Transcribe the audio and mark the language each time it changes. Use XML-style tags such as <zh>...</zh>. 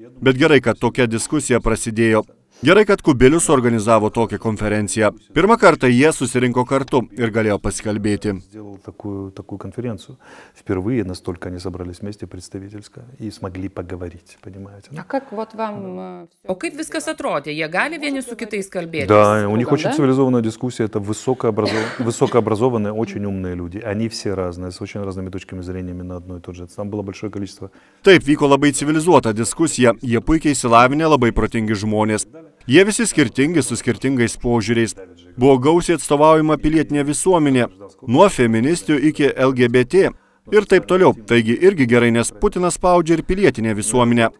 <lt>Bet gerai, kad tokia diskusija prasidėjo. Gerai, kad Kubilius organizavo tokią konferenciją. Pirmą kartą jie susirinko kartu ir galėjo pasikalbėti. Tokių konferencijų. Pirmai, nes tolka nesabralis mėstė pristavytelską, jį smagli pagavaryti, panimaite. O kaip viskas atrodė? Jie gali vieni su kitais kalbėti?</lt> <ru>Da, у них очень цивилизованная дискуссия, это высокообразованные, очень умные люди. Они все разные, с очень разными точками зрения на одно и то же. Там было большое количество.</ru> <lt>Taip, vyko labai civilizuota diskusija. Jie puikiai išsilavinę, labai protingi žmonės. Jie visi skirtingi su skirtingais požiūriais. Buvo gausiai atstovaujama pilietinė visuomenė, nuo feministių iki LGBT ir taip toliau. Taigi irgi gerai, nes Putinas spaudžia ir pilietinę visuomenę.</lt>